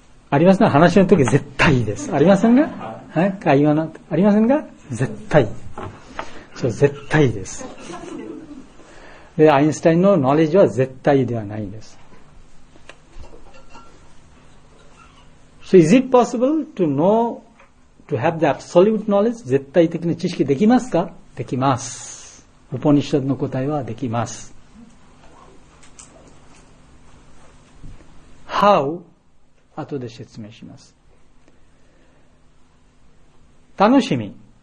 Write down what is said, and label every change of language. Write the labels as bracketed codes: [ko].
[ja] ありませんか？話の時絶対です。ありませんか？はい、会話のありませんか？絶対。そう、絶対です。で、アインシュタインのノレッジは絶対ではないんです。 [en] So is it possible to know, to have the absolute knowledge? [ja] 絶対的な知識できますか？できます。ウポニシャドの答えはできます。 How? 後で説明します。楽しみ。